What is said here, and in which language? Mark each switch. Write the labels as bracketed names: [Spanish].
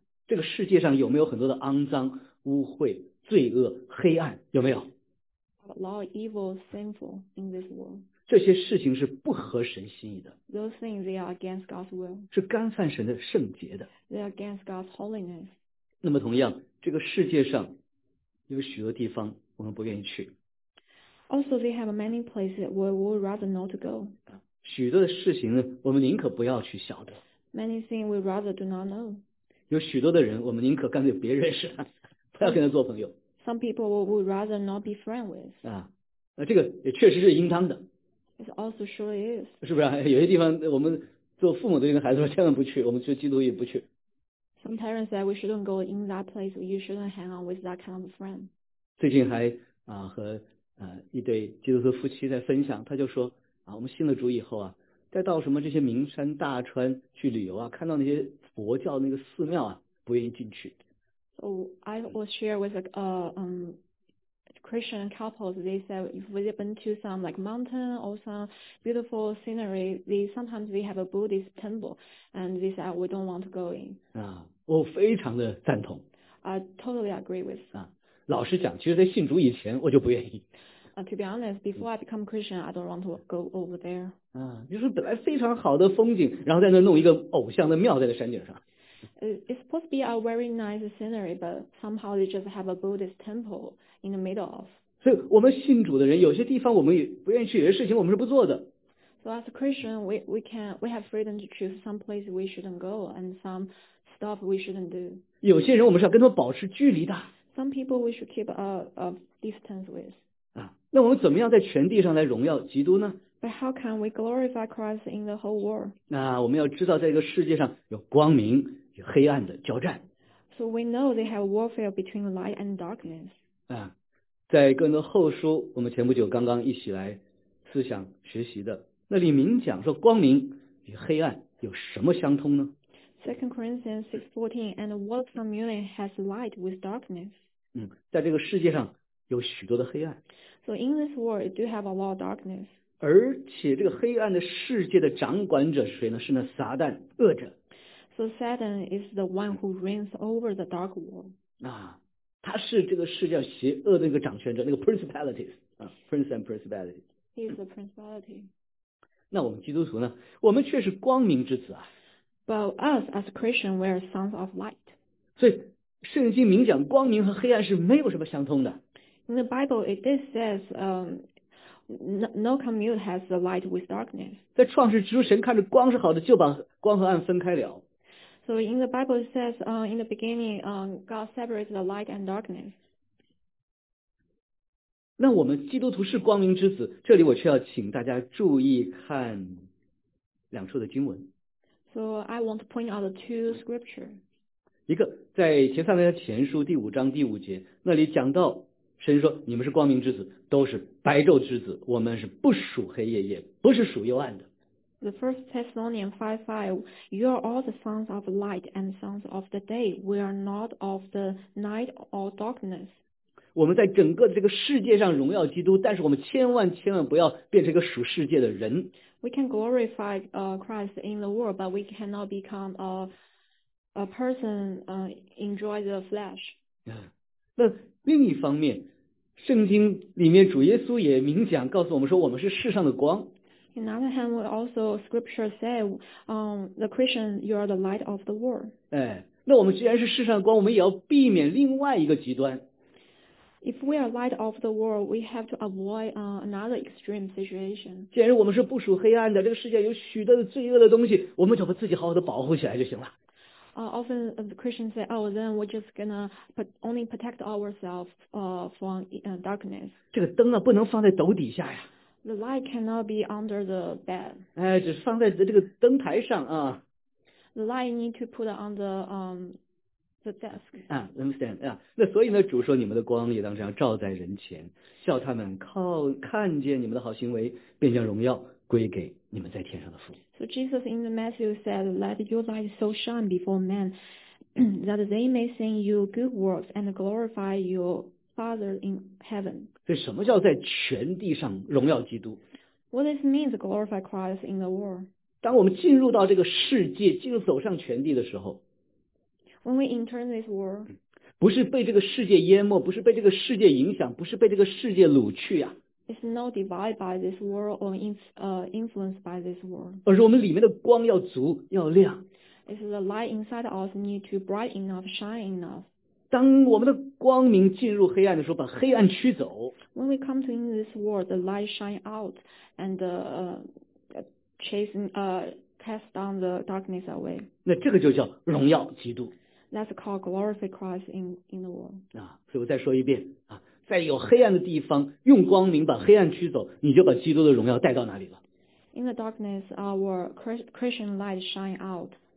[Chinese] 这个世界上有没有很多的肮脏、污秽、罪恶、黑暗？有没有 [English] ？A lot of evil, sinful in this world. [Chinese] 这些事情是不合神心意的。 [English] Those things are against God's will. [Chinese] 是干犯神的圣洁的。 [English] They are against God's holiness. [Chinese] 那么同样，这个世界上有许多地方我们不愿意去。 [English] Also, they have many places that we would rather not to go. [Chinese] 许多的事情呢，我们宁可不要去晓得。 [English] Many things we rather do not know. [Chinese] 有许多的人，我们宁可干脆别认识他，不要跟他做朋友。 [English] Some people we would rather not be friends with. [Chinese] 那这个也确实是应当的。 [English] It also surely is. [Chinese] 是不是？有些地方我们做父母的跟孩子说千万不去，我们做基督徒也不去。 [English] Some parents say we shouldn't go in that place. You shouldn't hang on with that kind of friend. [Chinese] 最近还和一对基督徒夫妻在分享，他就说啊，我们信了主以后啊，再到什么这些名山大川去旅游啊，看到那些佛教那个寺庙啊，不愿意进去。 [English] So I was share with Christian couples. They said if we've been to some like mountain or some beautiful scenery, they sometimes they have a Buddhist temple, and they said we don't want to go in. [Chinese] 我非常的赞同。 [English] I totally agree with. [Chinese] 老实讲，其实在信主以前我就不愿意。 [English] To be honest, before I become Christian, I don't want to go over there. [Chinese] 就是本来非常好的风景，然后在那弄一个偶像的庙在那山顶上。 [English] It's supposed to be a very nice scenery, but somehow they just have a Buddhist temple in the middle of. [Chinese] 所以我们信主的人，有些地方我们也不愿意去，有些事情我们是不做的。 [English] So as a Christian, we have freedom to choose some place we shouldn't go and some stuff we shouldn't do. [Chinese] 有些人我们是要跟他们保持距离的。 [English] Some people we should keep a distance with. [Chinese] 那我们怎么样在全地上来荣耀基督呢？ [English] But how can we glorify Christ in the whole world? [Chinese] 那我们要知道，在一个世界上有光明与黑暗的交战。 [English] So we know they have warfare between light and darkness. [Chinese] 在哥林多后书，我们前不久刚刚一起来思想学习的，那里明讲说光明与黑暗有什么相通呢？ [English] 2 Corinthians 6:14, and what communion has light with darkness? [Chinese] 在这个世界上有许多的黑暗。 [English] So in this world, it do have a lot of darkness. [Chinese] 而且这个黑暗的世界的掌管者是谁呢？是那撒旦恶者。 [English] So Satan is the one who reigns over the dark world. [Chinese] 他是这个世界邪恶的那个掌权者，那个 [English] principalities, prince and principalities. He is the principality. [Chinese] 那我们基督徒呢？我们却是光明之子啊。 [English] But us as Christians, we are sons of light. [Chinese] 所以圣经明讲光明和黑暗是没有什么相通的。 [English] In the Bible, it did says, no commune has the light with darkness. [Chinese] 在创世之初，神看着光是好的，就把光和暗分开了。 [English] So in the Bible, it says, in the beginning, God separates the light and darkness. [Chinese] 那我们基督徒是光明之子，这里我却要请大家注意看两处的经文。 [English] So I want to point out the two scriptures. [Chinese] 一个在帖撒罗尼迦前书第五章第五节，那里讲到神说你们是光明之子，都是白昼之子，我们是不属黑夜，也不是属幽暗的。 [English] The first Thessalonians 5:5, you are all the sons of light and sons of the day. We are not of the night or darkness. [Chinese] 我们在整个这个世界上荣耀基督，但是我们千万千万不要变成一个属世界的人。 [English] We can glorify Christ in the world, but we cannot become a person enjoy the flesh. [Chinese] 那另一方面，圣经里面主耶稣也明讲告诉我们说，我们是世上的光。 [English] In other hand, we also scripture say, the Christian, you are the light of the world. [Chinese] 哎，那我们既然是世上光，我们也要避免另外一个极端。 [English] If we are light of the world, we have to avoid another extreme situation. [Chinese] 既然我们是不属黑暗的，这个世界有许多的罪恶的东西，我们就把自己好好的保护起来就行了。 [English] Often the Christians say, oh, then we're just gonna only protect ourselves from darkness. [Chinese] 这个灯啊，不能放在斗底下呀。 [English] The light cannot be under the bed. [Chinese] 哎，只是放在这个灯台上啊。 [English] The light need to put on the desk. 啊 ，understand 啊。 [Chinese] 那所以呢，主说你们的光也当这样照在人前，叫他们靠看见你们的好行为，便将荣耀归给你们在天上的父。 [English] So Jesus in the Matthew said, "Let your light so shine before men, that they may see your good works and glorify your Father in heaven." [Chinese] 所以什么叫在全地上荣耀基督 [English] ？What this means glorify Christ in the world? [Chinese] 当我们进入到这个世界，进入走上全地的时候 [English] ，When we enter this world, [Chinese] 不是被这个世界淹没，不是被这个世界影响，不是被这个世界掳去啊。 [English] It's not divided by this world or influenced by this world. [Chinese] 而是我们里面的光要足要亮。 [English] It's the light inside us need to bright enough, shine enough. [Chinese] 当我们的光明进入黑暗的时候，把黑暗驱走。 [English] When we come to in this world, the light shine out and cast down the darkness away. [Chinese] 那这个就叫荣耀基督。 [English] That's called glorify Christ in the world. [Chinese] 啊，所以我再说一遍啊。在有黑暗的地方，用光明把黑暗驱走，你就把基督的荣耀带到哪里了 [English] ？In the darkness, our Christian light shine out.